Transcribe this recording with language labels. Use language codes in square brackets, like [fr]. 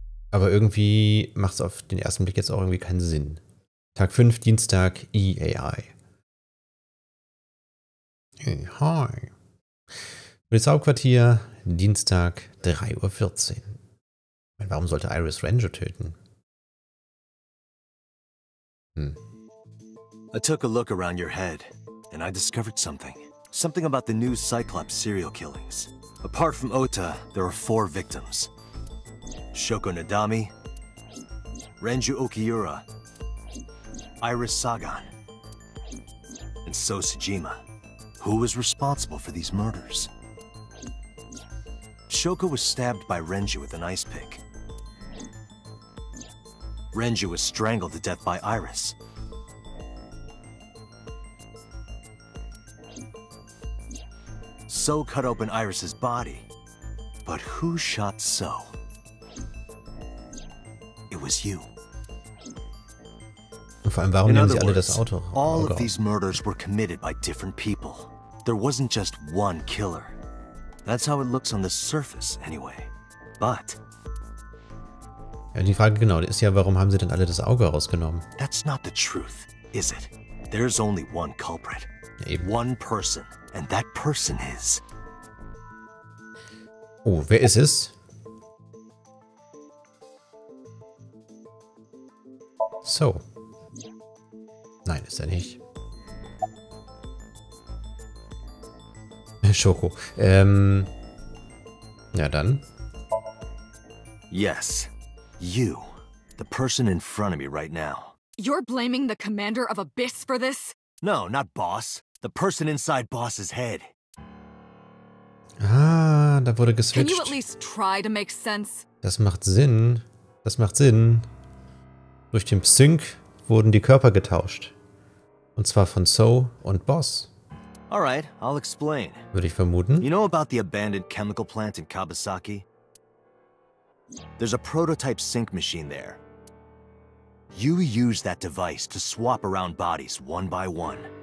[de] Aber irgendwie macht es auf den ersten Blick jetzt auch irgendwie keinen Sinn. Tag 5, Dienstag, EAI. Hey, hi. Polizeihauptquartier, Dienstag, 3.14 Uhr. Ich meine, warum sollte Iris Ranger töten? [en] I took a look around your head, and I discovered something. Something about the new Cyclops serial killings. Apart from Ota, there are 4 victims. Shoko Nadami, Renju Okiura, Iris Sagan, and So Tsujima. Who was responsible for these murders? Shoko was stabbed by Renju with an ice pick. Renju was strangled to death by Iris. So cut open Iris's body. But who shot So? It was you. [de] Vor allem, warum nehmen sie alle das Auto? [en] All of these murders were committed by different people. There wasn't just one killer. That's how it looks on the surface, anyway. But... [de] Ja, die Frage genau ist ja, warum haben sie denn alle das Auge rausgenommen? [en] That's not the truth, is it? There's only one culprit. [de] Ja, eben. [en] One person, and that person is. [de] Oh, wer ist es? So. Nein, ist er nicht. Shoko. Ja, dann. [en] Yes. You, the person in front of me right now. You're blaming the commander of Abyss for this? No, not Boss. The person inside Boss's head. [de] Ah, da wurde geswitcht. [en] Can you at least try to make sense? [de] Das macht Sinn. Das macht Sinn. Durch den Psync wurden die Körper getauscht. Und zwar von So und Boss. [en] All right, I'll explain. [de] Würde ich vermuten. [en] You know about the abandoned chemical plant in Kabasaki? There's a prototype sync machine there. You use that device to swap around bodies one by one.